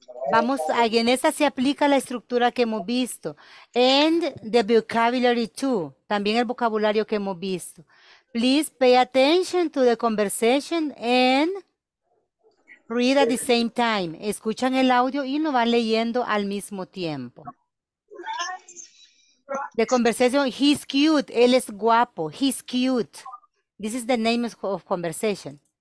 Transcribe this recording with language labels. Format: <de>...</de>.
<es>Vamos, ahí en esta se aplica la estructura que hemos visto.</es> <en>And the vocabulary too.</en> <es>También el vocabulario que hemos visto.</es> <en>Please pay attention to the conversation and read at the same time.</en> <es>Escuchan el audio y lo van leyendo al mismo tiempo.</es> <en>The conversation, he's cute.</en> <es>Él es guapo.</es> <en>He's cute. This is the name of conversation.</en>